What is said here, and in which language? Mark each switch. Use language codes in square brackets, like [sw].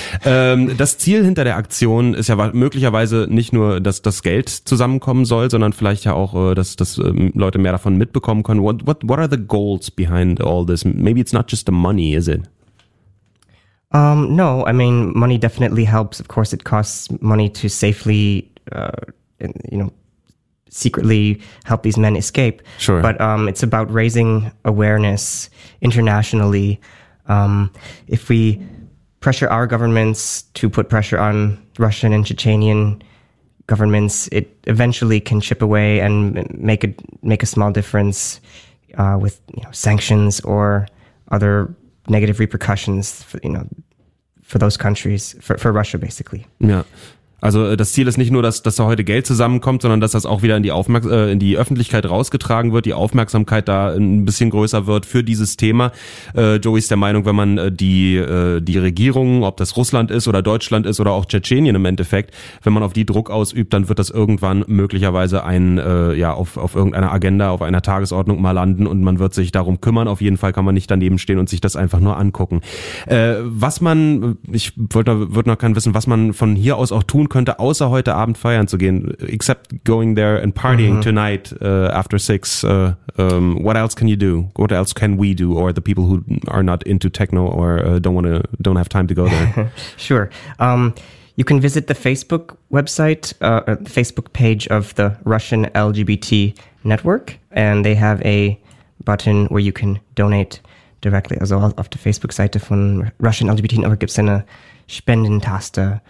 [de] Das Ziel hinter der Aktion ist ja möglicherweise nicht nur, dass das Geld zusammenkommen soll, sondern vielleicht ja auch, dass Leute mehr davon mitbekommen können. [en] What are the goals behind all this? Maybe it's not just the money, is it? No, I mean, money definitely helps. Of course, it costs money to safely, you know, secretly help these men escape. Sure. But it's about raising awareness internationally. If we pressure our governments to put pressure on Russian and Chechenian governments, it eventually can chip away and make a small difference with, you know, sanctions or other negative repercussions for those countries, for Russia basically. Yeah. [de] Also das Ziel ist nicht nur, dass da heute Geld zusammenkommt, sondern dass das auch wieder in die Öffentlichkeit rausgetragen wird, die Aufmerksamkeit da ein bisschen größer wird für dieses Thema. Joey ist der Meinung, wenn man die Regierungen, ob das Russland ist oder Deutschland ist oder auch Tschetschenien im Endeffekt, wenn man auf die Druck ausübt, dann wird das irgendwann möglicherweise auf irgendeiner Agenda, auf einer Tagesordnung mal landen und man wird sich darum kümmern. Auf jeden Fall kann man nicht daneben stehen und sich das einfach nur angucken. Was man von hier aus auch tun könnte, außer heute Abend feiern zu gehen, [en] except going there and partying tonight after six. What else can you do? What else can we do? Or the people who are not into techno or don't have time to go there? Sure. You can visit the Facebook website, the Facebook page of the Russian LGBT network, and they have a button where you can donate directly. [de] Also auf der Facebook-Seite von Russian LGBT network gibt es eine Spendentaste.